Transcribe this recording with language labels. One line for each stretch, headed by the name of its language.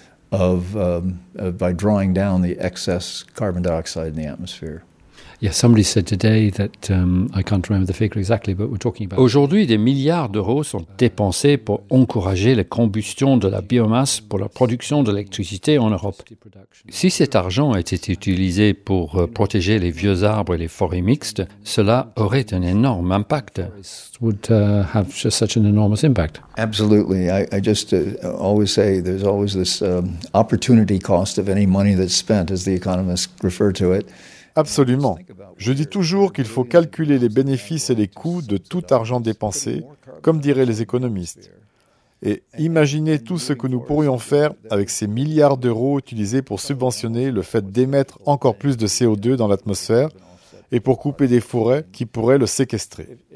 English: By drawing down the excess carbon dioxide in the atmosphere. Yeah, somebody said today that I can't remember the figure exactly, but we're talking about.
French: Aujourd'hui, des milliards d'euros sont dépensés pour encourager la combustion de la biomasse pour la production d'électricité en Europe. Si cet argent était utilisé pour protéger les vieux arbres et les forêts mixtes, cela aurait un énorme impact.
English: Would have just such an enormous impact. Absolutely, I always say there's always this opportunity cost of any money that's spent, as the economists refer to it.
French: Absolument. Je dis toujours qu'il faut calculer les bénéfices et les coûts de tout argent dépensé, comme diraient les économistes. Et imaginez tout ce que nous pourrions faire avec ces milliards d'euros utilisés pour subventionner le fait d'émettre encore plus de CO2 dans l'atmosphère et pour couper des forêts qui pourraient le séquestrer.